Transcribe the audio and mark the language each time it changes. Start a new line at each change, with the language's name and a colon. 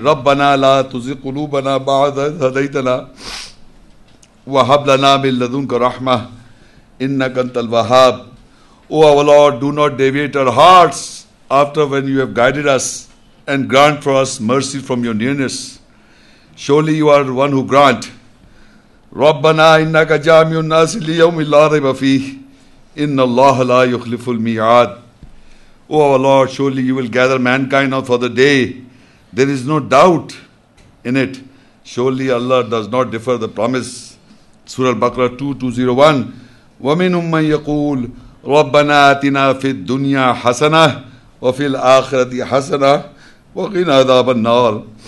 Arabic: رَبَّنَا لَا تُزِقْ قُلُوبَنَا بَعْدَ إِذْ هَدَيْتَنَا وَهَبْ لَنَا مِنْ لَدُنْكَ رَحْمَةً إِنَّكَ أَنْتَ الْوَهَّابُ.
English: O our Lord, do not deviate our hearts after when you have guided us, and grant for us mercy from your nearness. Surely you are one who grant.
Arabic: ربنا إنك جامع الناس ليوم لا ريب فيه إن الله لا يخلف الميعاد.
English: Oh our Lord, surely you will gather mankind out for the day. There is no doubt in it. Surely Allah does not defer the promise.
Arabic: Surah Al-Baqarah 2201. وَمِنُمْ مَنْ يَقُولُ رَبَّنَا آتِنَا فِي الدُّنْيَا حَسَنَةً وَفِي الْآخِرَةِ حَسَنَةً وَقِنَا عَذَابَ النَّارِ.